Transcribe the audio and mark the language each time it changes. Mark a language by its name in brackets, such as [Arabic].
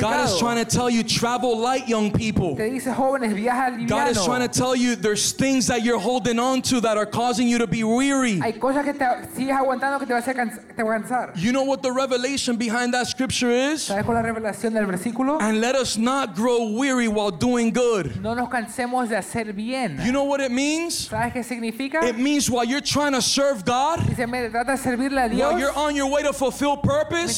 [English] God is trying to tell you, travel light, young people. [Spanish] Te dice, jóvenes, viaja liviano. [English] God is trying to tell you there's things that you're holding on to that are causing you to be weary. [Spanish] Hay cosas que te sigues aguantando que te va a hacer cansar. [English] You know what the revelation behind that scripture is? [Spanish] ¿Sabes cuál es la revelación del versículo? [English] And let us not grow weary. Weary while doing good. [Spanish] No nos cansemos de hacer bien. [English] You know what it means? [Spanish] ¿Sabes qué significa? [English] It means while you're trying to serve God, [Spanish] si me trata de servirle a Dios, [English] while you're on your way to fulfill purpose,